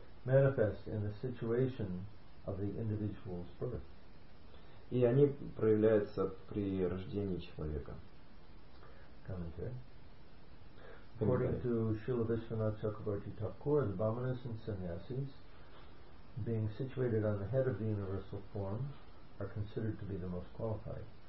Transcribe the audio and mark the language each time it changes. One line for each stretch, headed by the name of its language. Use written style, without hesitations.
English: Manifest in the situation of the individual's birth.
Russian: И они проявляются при рождении человека.
English: Commentary. According to Srila Vishwanath Chakravarti Thakur, the brahmanas and sannyasis, being situated on the head of the universal form, are considered to be the most qualified.